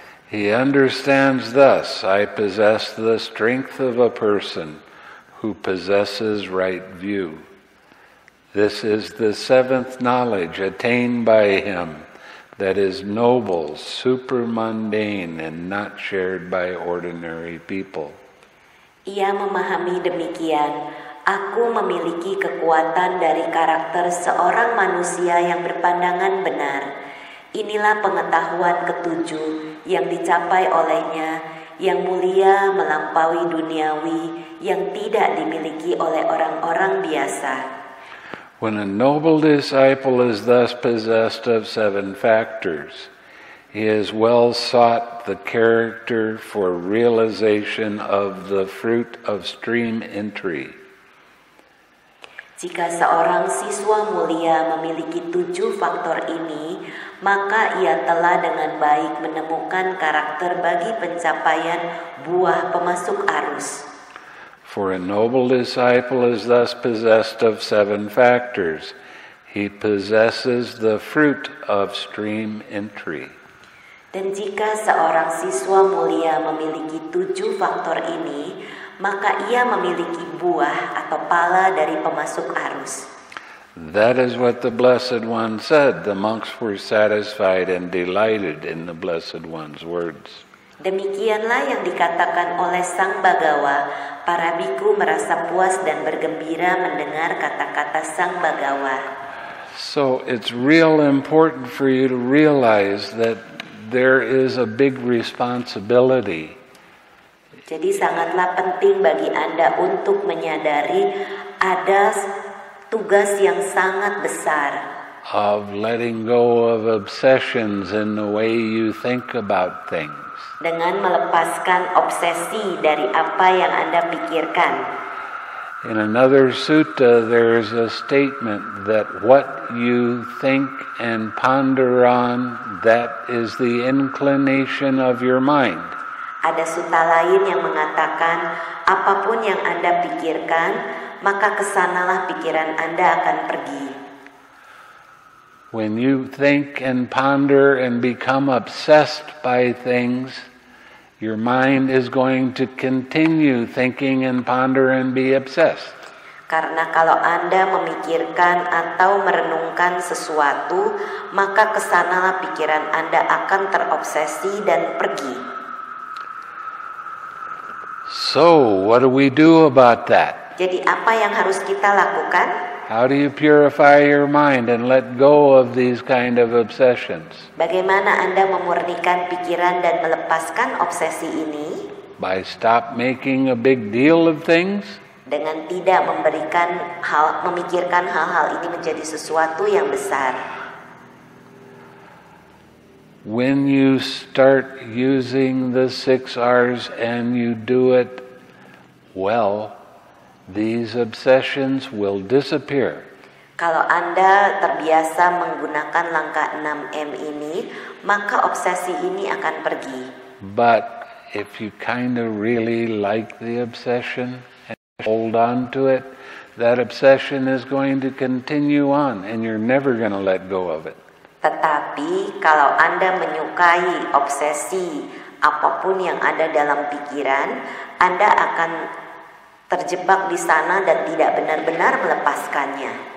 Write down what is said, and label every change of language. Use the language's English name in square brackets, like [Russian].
[English] He understands thus, I possess the strength of a person who possesses right view. This is the seventh knowledge attained by him that is noble, supermundane, and not shared by ordinary people. [Indonesian] Ia memahami demikian, aku memiliki kekuatan dari karakter seorang manusia yang berpandangan benar. Inilah pengetahuan ketujuh yang dicapai olehnya, yang mulia melampaui duniawi, yang tidak dimiliki oleh orang-orang biasa. [English] When a noble disciple is thus possessed of seven factors, he has well sought the character for realization of the fruit of stream entry. [Indonesian] Jika seorang siswa mulia memiliki tujuh faktor ini, maka ia telah dengan baik menemukan karakter bagi pencapaian buah pemasuk arus. [English] For a noble disciple is thus possessed of seven factors. He possesses the fruit of stream entry. [Indonesian] Dan jika seorang siswa mulia memiliki tujuh faktor ini, maka ia memiliki buah atau pala dari pemasuk arus. [English] That is what the Blessed One said. The monks were satisfied and delighted in the Blessed One's words. [Indonesian] Demikianlah yang dikatakan oleh Sang Bhagawa. Para bhikkhu merasa puas dan bergembira mendengar kata-kata Sang Bhagawa. [English] So it's real important for you to realize that there is a big responsibility. [Indonesian] Jadi sangatlah penting bagi Anda untuk menyadari ada tugas yang sangat besar. [English] Of letting go of obsessions in the way you think about things. [Indonesian] Dengan melepaskan obsesi dari apa yang Anda pikirkan. [English] In another sutta, there is a statement that what you think and ponder on, that is the inclination of your mind. [Indonesian] Ada sutta lain yang mengatakan, apapun yang Anda pikirkan, maka kesanalah pikiran Anda akan pergi. [English] When you think and ponder and become obsessed by things, your mind is going to continue thinking and ponder and be obsessed. [Indonesian] Karena kalau Anda memikirkan atau merenungkan sesuatu, maka kesanalah pikiran Anda akan terobsesi dan pergi. [English] So, what do we do about that? [Indonesian] Jadi apa yang harus kita lakukan? [English] How do you purify your mind and let go of these kind of obsessions? [Indonesian] Bagaimana Anda memurnikan pikiran dan melepaskan obsesi ini? [English] By stop making a big deal of things. [Indonesian] Dengan tidak memberikan hal, memikirkan hal-hal ini menjadi sesuatu yang besar. [English] When you start using the six R's and you do it well, these obsessions will disappear. [Indonesian] Kalau Anda terbiasa menggunakan langkah 6M ini, maka obsesi ini akan pergi. [English] But if you kind of really like the obsession and hold on to it, that obsession is going to continue on and you're never going to let go of it. [Indonesian] Tetapi kalau Anda menyukai obsesi apapun yang ada dalam pikiran, Anda akan terjebak di sana dan tidak benar-benar melepaskannya.